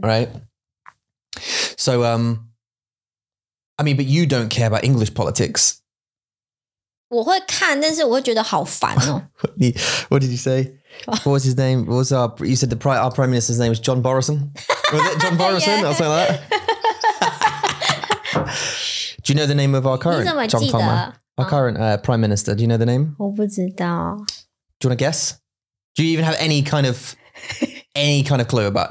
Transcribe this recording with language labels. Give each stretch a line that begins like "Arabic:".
English: ，right， so I mean， but you don't care about English politics，
Chinese: 我会看，但是我会觉得好烦哦。
English: What did you say？ What was his name？ What was our？ You said our prime minister's name was John Morrison， was it John Morrison？ 、 yeah. I'll say that 。 Do you know the name of our current,
Chinese: 你怎么记得?
English: Our current, Prime Minister? Do you know the name?
Chinese: 我不知道。
English: Do you want to guess? Do you even have any kind of clue about?